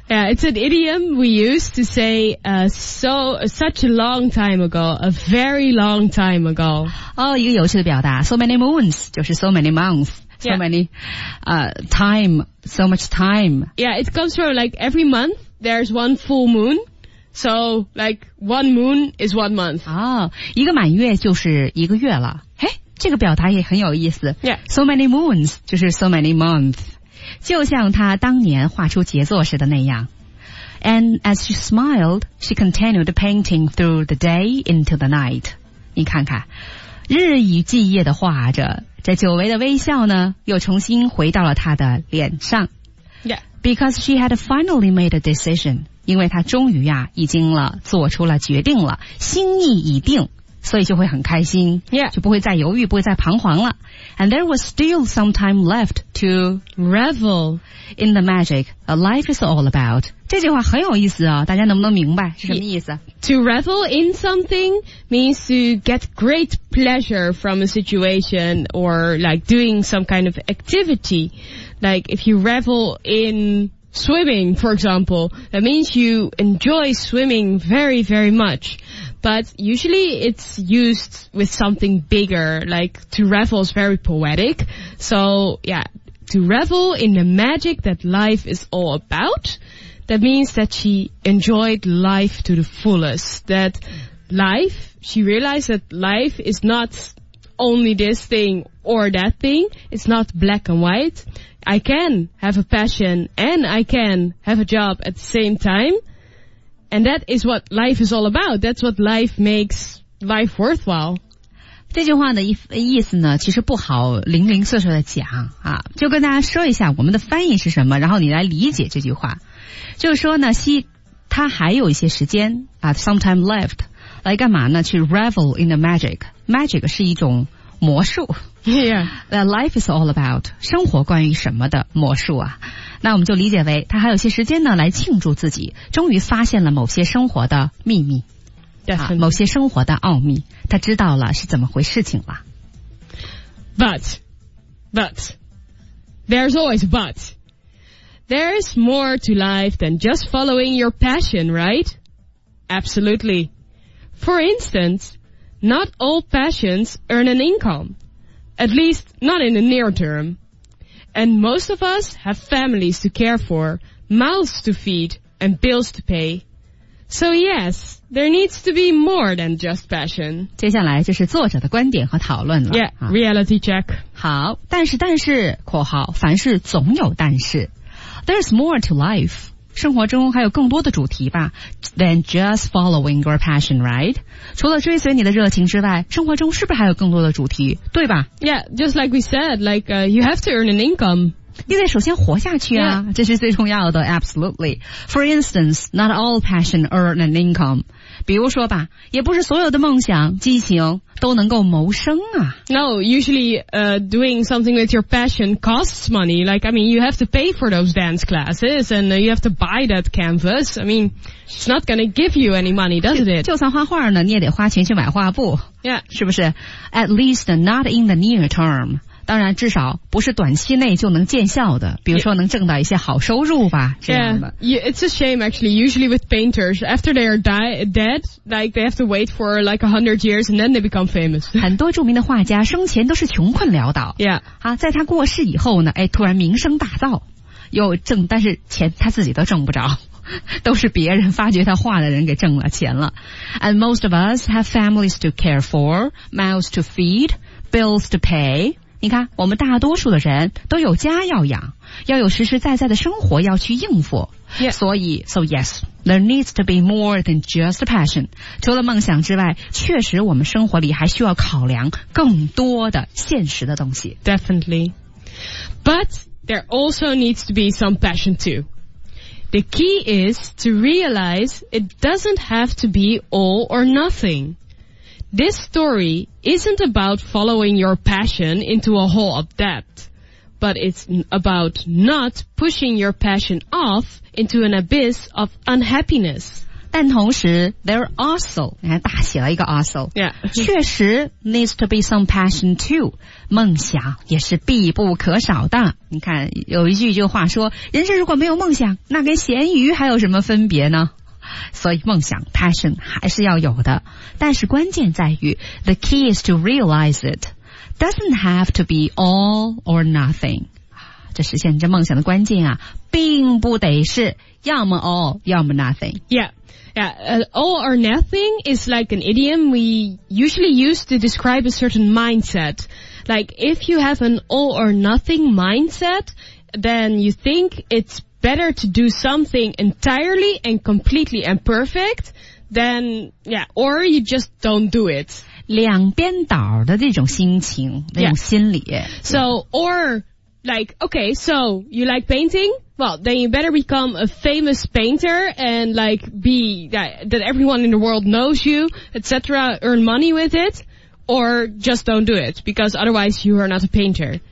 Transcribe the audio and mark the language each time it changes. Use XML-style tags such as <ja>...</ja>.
<en>Yeah, it's an idiom we used to say, such a long time ago, a very long time ago.</en> <zh>哦，一个有趣的表达。</zh> <en>So many moons,</en> <zh>就是</zh> <en>so many months. So many, time, so much time. Yeah, it comes from like every month, there's one full moon. So, like, one moon is one month.</en> <zh>哦，一个满月就是一个月了。诶，这个表达也很有意思。</zh> <en>Yeah. So many moons,</en> <zh>就是</zh> <en>so many months.</en> <zh>就像他当年画出杰作时的那样。</zh> <en>And as she smiled, she continued painting through the day into the night.</en> <zh>你看看。日以继夜地画着，这久违的微笑呢，又重新回到了她的脸上。</zh> <en>Yeah. Because she had finally made a decision.</en> <zh>因为她终于啊，已经了，做出了决定了，心意已定，所以就会很开心。</zh> <en>Yeah.</en> <zh>就不会再犹豫，不会再彷徨了。</zh> <en>And there was still some time left to revel in the magic a life is all about.</en> <zh>这句话很有意思啊，大家能不能明白是什么意思？</zh> <en>To revel in something means to get great pleasure from a situation or like doing some kind of activity. Like if you revel in swimming, for example, that means you enjoy swimming very, very much. But usually it's used with something bigger, like to revel is very poetic. So yeah, to revel in the magic that life is all about. That means that she enjoyed life to the fullest. That life, she realized that life is not only this thing or that thing. It's not black and white. I can have a passion and I can have a job at the same time. And that is what life is all about. That's what life makes life worthwhile.</en> <zh>这句话的意思呢，其实不好零零碎碎的讲啊，就跟大家说一下我们的翻译是什么，然后你来理解这句话。就是说呢，他还有一些时间啊 ，</zh> <en>sometime left，</en> <zh>来干嘛呢？去</zh> <en>revel in the magic。</en> <zh>Magic 是一种魔术。</zh> <en>Yeah. Life is all about</en> <zh>生活关于什么的魔术啊。那我们就理解为他还有些时间呢，来庆祝自己终于发现了某些生活的秘密。</zh> <en>Definitely.</en> <zh>某些生活的奥秘，他知道了是怎么回事情了。</zh> <en>But, there's always but. There is more to life than just following your passion, right? Absolutely. For instance, not all passions earn an income. At least, not in the near term. And most of us have families to care for, mouths to feed, and bills to pay. So yes, there needs to be more than just passion.</en> <zh>接下来就是作者的观点和讨论了。</zh> <en>Yeah, reality check.</en> <zh>好，但是括号，凡事总有但是。</zh> <en>There's more to life.</en> <zh>生活中还有更多的主题吧。</zh> <en>Than just following your passion, right?</en> <zh>除了追随你的热情之外，生活中是不是还有更多的主题？对吧？</zh> <en>Yeah, just like we said, like, you have to earn an income.</en> <zh>你得首先活下去啊、</zh> <en>yeah.</en> <zh>这是最重要的</zh> <en>absolutely. For instance, not all passion earn an income.</en> <zh>比如说吧也不是所有的梦想激情都能够谋生啊。</zh> <en>No, usually, doing something with your passion costs money. Like, I mean, you have to pay for those dance classes and you have to buy that canvas. I mean, it's not gonna give you any money, does it?</en> <zh>就算画画呢你也得花钱去买画布。</zh> <en>Yeah.</en> <zh>是不是</zh> <en>?At least not in the near term.</en> <zh>当然至少不是短期内就能见效的比如说能挣到一些好收入吧</zh> <en>yeah,</en> <zh>这样的</zh> <en>yeah, It's a shame actually usually with painters after they are dead like they have to wait for like 100 years and then they become famous</en> <zh>很多著名的画家生前都是穷困潦倒</zh> <en>yeah.</en> <zh>啊，在他过世以后呢、哎、突然名声大噪又挣但是钱他自己都挣不着都是别人发觉他画的人给挣了钱了。</zh> <en>And most of us have families to care for, mouths to feed, bills to pay.</en> <zh>你看，我们大多数的人都有家要养，要有实实在在的生活要去应付。</zh> <en>Yeah.</en> <zh>所以</zh> <en>,so yes, there needs to be more than just a passion.</en> <zh>除了梦想之外，确实我们生活里还需要考量更多的现实的东西。</zh> <en>Definitely. But there also needs to be some passion too. The key is to realize it doesn't have to be all or nothing. This story isn't about following your passion into a hole of debt, but it's about not pushing your passion off into an abyss of unhappiness.</en> <zh>但同时</zh> <en>there also,</en> <zh>你看大写了一个 also,、</zh> <en>yeah.</en> <zh>确实</zh> <en>needs to be some passion too,</en> <zh>梦想也是必不可少的。你看有一句就话说，人生如果没有梦想，那跟咸鱼还有什么分别呢？所以梦想</zh> <en>passion</en> <zh>还是要有的，但是关键在于</zh> <en>the key is to realize it, doesn't have to be all or nothing.</en> <zh>这实现这梦想的关键啊，并不得是要么 all, 要么 nothing.</zh> <en>Yeah, yeah,、all or nothing is like an idiom we usually use to describe a certain mindset. Like, if you have an all or nothing mindset, then you think it's better to do something entirely and completely and perfect, then, yeah, or you just don't do it.</en> <zh>两边倒的这种心情，那种心理。</zh> <en>Yeah. So, or... Like, okay, so you like painting? Well, then you better become a famous painter and like be that everyone in the world knows you, etc., earn money with it, or just don't do it because otherwise you are not a painter.</en>